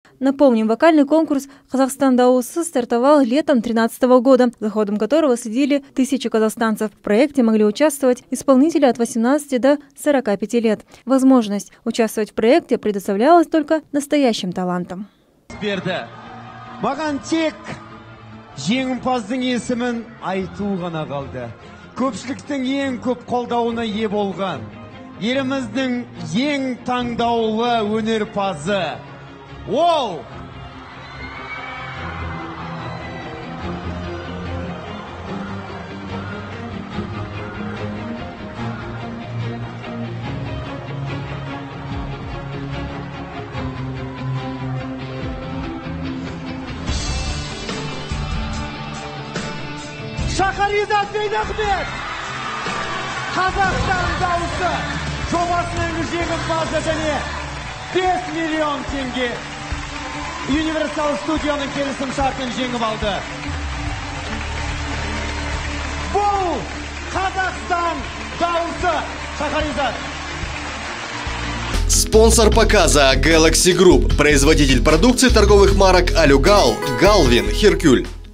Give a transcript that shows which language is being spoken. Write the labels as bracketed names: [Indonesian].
[Russian] Напомним, вокальный конкурс «Казахстан Даусы» стартовал летом 2013 года, за ходом которого следили тысячи казахстанцев. В проекте могли участвовать исполнители от 18 до 45 лет. Возможность участвовать в проекте предоставлялась только настоящим талантам. [Kazakh] Эксперты, маған тек жеңімпаздың есімін айту ғана қалды. Көпшіліктің ең көп қолдауына е болған. Еліміздің ең таңдаулы өнерпазы. Оу! Шахаризат Бейдахмет! Қазақстан дауысы! Жобасының жеңімпазы және 5 миллион теңге! Universal Studio-ның келісім шартын жеңіп алды. Бұл Қазақстан дауысы! Шахаризат! [Russian] Спонсор показа Galaxy Group. Производитель продукции торговых марок Алюгал, Галвин, Херкюль.